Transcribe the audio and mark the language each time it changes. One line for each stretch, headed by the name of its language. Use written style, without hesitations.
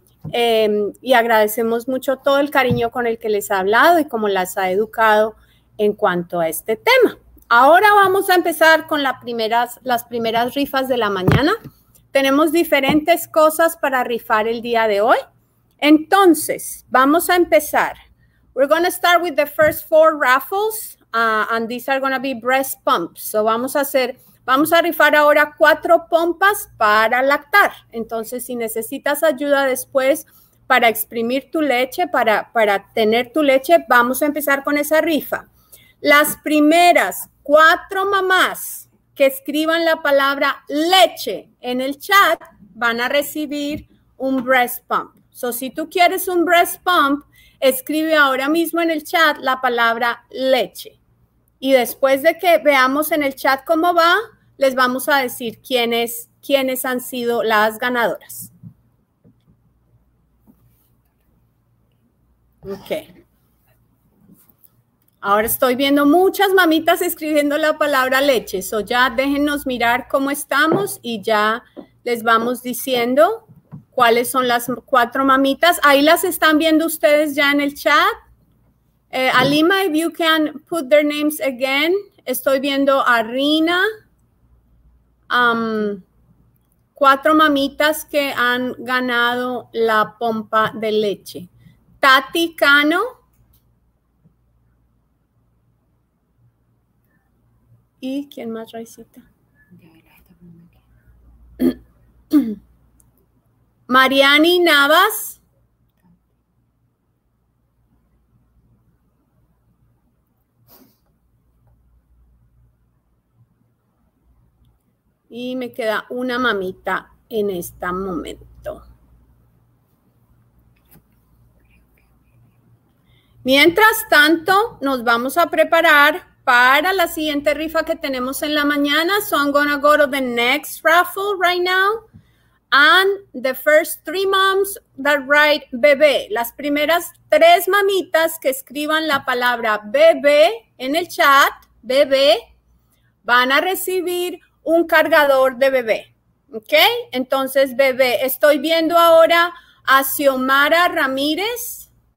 Spanish: Y agradecemos mucho todo el cariño con el que les ha hablado y cómo las ha educado en cuanto a este tema. Ahora vamos a empezar con las primeras rifas de la mañana. Tenemos diferentes cosas para rifar el día de hoy. Entonces, vamos a empezar.
English: We're going to start with the first four raffles, and these are going to be breast pumps.
Spanish: So vamos a rifar ahora cuatro pompas para lactar. Entonces, si necesitas ayuda después para exprimir tu leche, para tener tu leche, vamos a empezar con esa rifa. Las primeras cuatro mamás que escriban la palabra leche en el chat van a recibir un breast pump. So, si tú quieres un breast pump, escribe ahora mismo en el chat la palabra leche. Y después de que veamos en el chat cómo va, les vamos a decir quiénes han sido las ganadoras. Ok. Ahora estoy viendo muchas mamitas escribiendo la palabra leche. So ya déjenos mirar cómo estamos y ya les vamos diciendo cuáles son las cuatro mamitas. Ahí las están viendo ustedes ya en el chat.
English: Alima, if you can put their names again.
Spanish: Estoy viendo a Rina. Cuatro mamitas que han ganado la pompa de leche. Tati Cano. ¿Y quién más, Raisita? Mariani Navas. Y me queda una mamita en este momento. Mientras tanto, nos vamos a preparar para la siguiente rifa que tenemos en la mañana.
English: So I'm going to go to the next raffle right now. And the first three moms that write bebé.
Spanish: Las primeras tres mamitas que escriban la palabra bebé en el chat, bebé, van a recibir un cargador de bebé. ¿Ok? Entonces, bebé, estoy viendo ahora a Xiomara Ramírez.